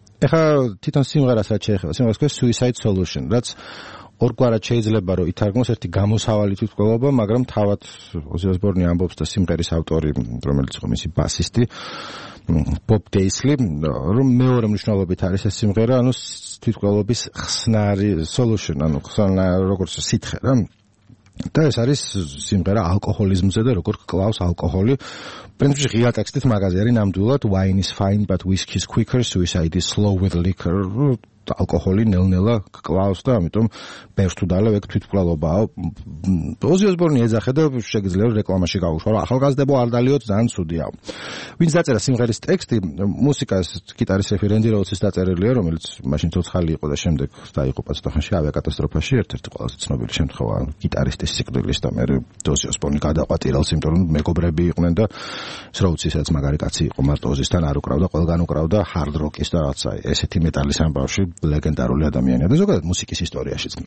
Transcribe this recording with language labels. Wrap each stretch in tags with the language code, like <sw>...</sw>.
<ka>ეხა თვითონ სიმღერას რაც შეეხება, სიმღერას ქვეს Suicide Solution, რაც ორგვარად შეიძლება რომ ითარგმნოს, ერთი გამოსავალი თვითმკვლელობა, მაგრამ თავად ოზი ოსბორნი ამბობს და სიმღერის ავტორი, რომელიც იყო მისი ბასისტი, Bob Daisley, რომ მეორე მნიშვნელობით არის ეს სიმღერა, ანუ თვითმკვლელობის ხსნარი, solution, ანუ ხსნა როგორც სითხე რა. და ეს არის სიმღერა ალკოჰოლიზმზე და როგორ კლავს ალკოჰოლი. პრინციპში ღია ტექსტით მაგაზე არის ნამდვილად</ka> <en>wine is fine but whiskey is quicker suicide is slow with liquor.</en> <ka>ალკოჰოლი ნელ-ნელა კლავს და ამიტომ ბევრს თუ დაალევ ეგ თვითმკვლელობაა. ოზი ოსბორნი ეძახე და შეგიძლია რომ რეკლამაში გაუშვა რომ ახალგაზრდებო არ დალიოთ, ძალიან ცუდია. ვინც დაწერა სიმღერის ტექსტი, მუსიკას გიტარისტი რენდი როუზის დაწერილია, რომელიც მაშინ ცოცხალი იყო და შემდეგ დაიღო პაცდოხანში ავიაკატასტროფაში, ერთ-ერთი ყველაზე ცნობილი შემთხვევა გიტარისტის სიკვდილის და მე ოზი ოსბორნი გადაყვატილს, იმიტომ რომ მეგობრები იყვნენ და როუზის რაც მაგარი კაცი იყო, მარტო ოზისთან არ უკრავდა, ყველგან უკრავდა hard rock-ის და რაცა ესეთი მეტალის ამბავში ლეგენდარული ადამიანია და ზოგადად მუსიკის ისტორიაშიც.</ka>